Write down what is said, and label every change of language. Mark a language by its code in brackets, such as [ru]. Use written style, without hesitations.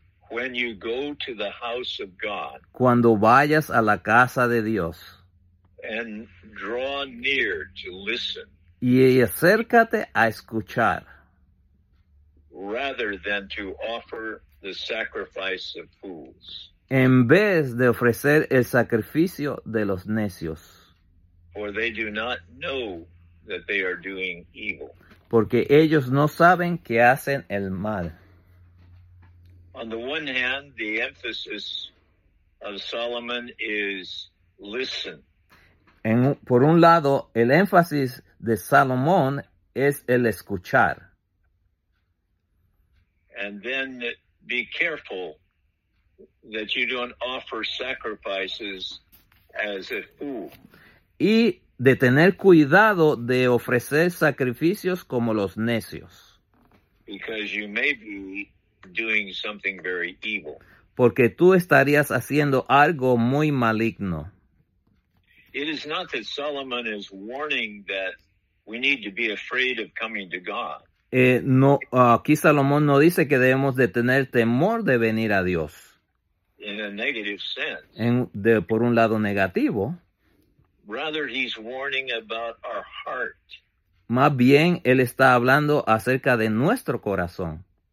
[en] When you go to the house of God. [es] Cuando vayas a la casa de Dios. [en] And draw near to listen. [es] Y acércate a escuchar. [en] Rather than to offer the sacrifice of fools. [es] En vez de ofrecer el sacrificio de los necios. [en] For they do not know that they are doing evil. [es] Porque ellos no saben que hacen el mal. [en] On the one hand, the emphasis of Solomon is listen. [es] Por un lado, el énfasis de Salomón es el escuchar. [en] And then be careful that you don't offer sacrifices as a fool. [es] Y de tener cuidado de ofrecer sacrificios como los necios. [en] Because you may be doing something very evil. [es] Porque tú estarías haciendo algo muy maligno. [en] It is not that Solomon is warning that we need to be afraid of coming to God. [es] Aquí Salomón no dice que debemos de tener temor de venir a Dios. [en] In a negative sense. [es] Por un lado negativo. [en] Rather, he's warning about our heart. [es] Más bien, él está hablando acerca de nuestro corazón.